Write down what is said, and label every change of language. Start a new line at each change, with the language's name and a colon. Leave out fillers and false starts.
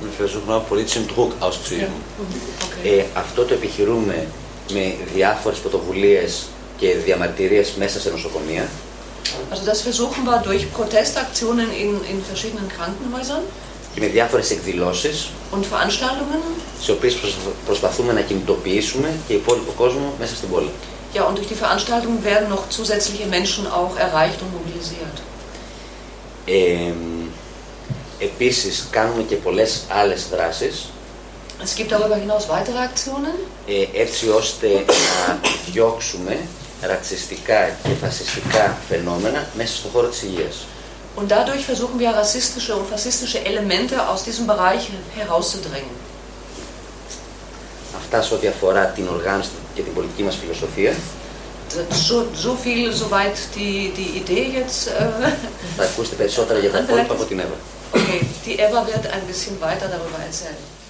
German: Wir versuchen auch politischen Druck auszuüben. Okay.
Greek: Αυτό το επιχειρούμε με διάφορες πρωτοβουλίες και διαμαρτυρίες μέσα σε νοσοκομεία.
German: Also das versuchen wir durch Protestaktionen in verschiedenen Krankenhäusern.
Greek: Και με διάφορες εκδηλώσεις.
German: Und Veranstaltungen.
Greek: Σε οποίες προσπαθούμε να κινητοποιήσουμε και υπόλοιπο κόσμο μέσα στην πόλη.
German: Ja, und durch die Veranstaltungen werden noch zusätzliche Menschen auch erreicht und mobilisiert.
Greek: Επίσης κάνουμε και πολλές άλλες δράσεις.
German: Es gibt darüber hinaus weitere Aktionen.
Greek: Έτσι ώστε να διώξουμε ρατσιστικά και φασιστικά φαινόμενα μέσα στον χώρο της υγείας.
German: Und dadurch versuchen wir rassistische und faschistische Elemente aus diesem Bereich herauszudrängen.
Greek: Αυτά σε ό,τι αφορά την οργάνωση και την πολιτική μας φιλοσοφία.
German: So viel, so weit die Idee jetzt.
Greek: Θα ακούσετε περισσότερα για τα υπόλοιπα από την Εύα.
German: Okay, die Εύα wird ein bisschen weiter darüber erzählen.